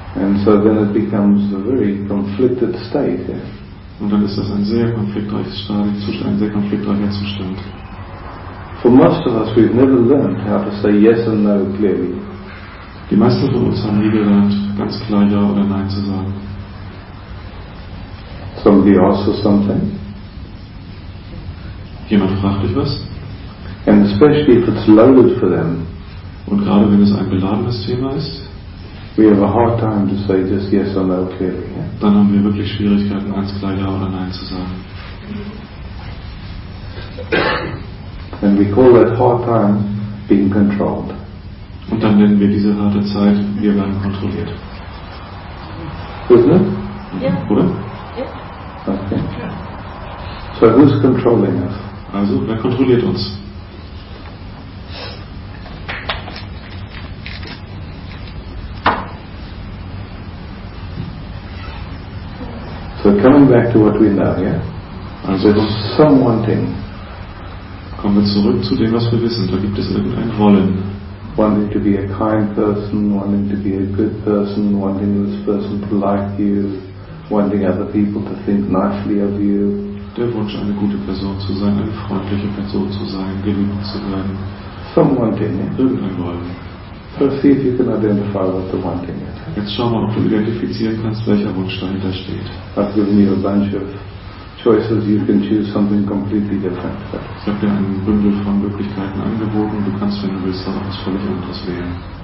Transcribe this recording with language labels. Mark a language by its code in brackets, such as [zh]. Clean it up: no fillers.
[en] And so then it becomes a very conflicted state, yeah. [de] Und dann ist das ein sehr konfliktreiches Zustand, ein sehr konfliktreicher Zustand. [en] For most of us, we've never learned how to say yes and no clearly. [de] Die meisten von uns haben nie gelernt, ganz klar ja oder nein zu sagen. [en] Somebody asks us something. [de] Jemand fragt dich was. [en] And especially if it's loaded for them. [de] Und gerade wenn es ein beladenes Thema ist. [en] We have a hard time to say just yes or no clearly. [de] Dann haben wir wirklich Schwierigkeiten, ganz klar ja oder nein zu sagen. [en] And we call that hard time being controlled. [de] Und dann nennen wir diese harte Zeit, wir werden kontrolliert. [en] Isn't it? Yeah. [de] Oder? [en] Yeah. Okay. So who's controlling us? [de] Also, wer kontrolliert uns? [en] So coming back to what we know, yeah? [de] Also, [en] there's some wanting. [de] Kommen wir zurück zu dem, was wir wissen. Da gibt es irgendein Wollen. [en] Wanting to be a kind person, wanting to be a good person, wanting this person to like you, wanting other people to think nicely of you. [de] Der Wunsch, eine gute Person zu sein, eine freundliche Person zu sein, geliebt zu werden. [en] Some wanting. [de] Irgendein Wollen. [en] So see if you can identify what the wanting is. [de] Jetzt schau mal, ob du identifizieren kannst, welcher Wunsch dahinter steht. [en] I've given you a bunch of choices, you can choose something completely different. [de] Ich habe dir einen Bündel von Möglichkeiten angeboten, du kannst, wenn du willst, auch etwas völlig anderes wählen.